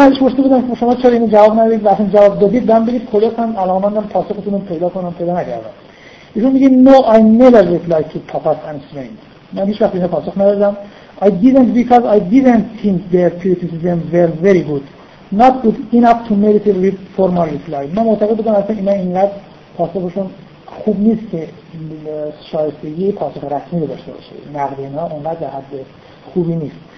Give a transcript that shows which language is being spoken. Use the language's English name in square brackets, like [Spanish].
[Persian] من ازش پرسیده بودم که شما چرا اینو جواب ندید و اصلا جواب دادید بهم بگید کلاس هم الان من پاسختون رو پیدا کنم پیدا نکردم. ایشون میگه [English] No I never replied to Papa's answering. [Persian] من هیچ وقت اینو پاسخ ندادم. [English] I didn't because I didn't think their criticism were very good not good enough to merit a formal reply. [Persian] من معتقد بودم اصلا اینا اینقدر پاسخشون خوب نیست که شایستگی پاسخ رسمی داشته باشه، نقد اینا اونقدر به حد خوبی نیست.